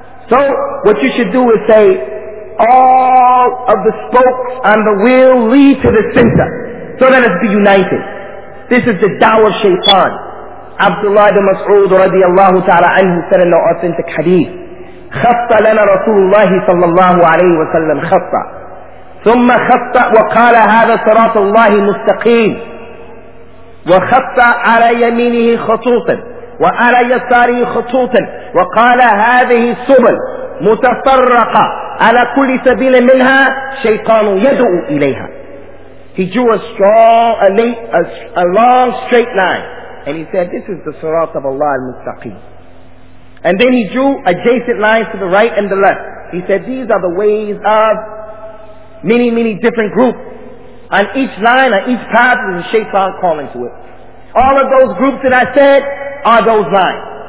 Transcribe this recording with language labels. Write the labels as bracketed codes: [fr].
[en] So what you should do is say, all of the spokes on the wheel lead to the center. So let us be united. This is the Dawah of Shaitan. Abdullah ibn Mas'ud radiallahu ta'ala anhu said in the authentic hadith, [ar] خط لنا رسول الله صلى الله عليه وسلم خطا ثم خطأ وقال هذا صراط الله مستقيم، وخطأ على يمينه خطوطا وعلى يساره خطوطا، وقال هذه سبل متفرقة على كل سبيل منها شيطان يدعو إليها. [en] He drew a long straight line and he said this is the sirat of Allah al-mustaqim. And then he drew adjacent lines to the right and the left. He said these are the ways of many, many different groups. On each line, on each path is a shaitan calling to it. All of those groups that I said are those lines.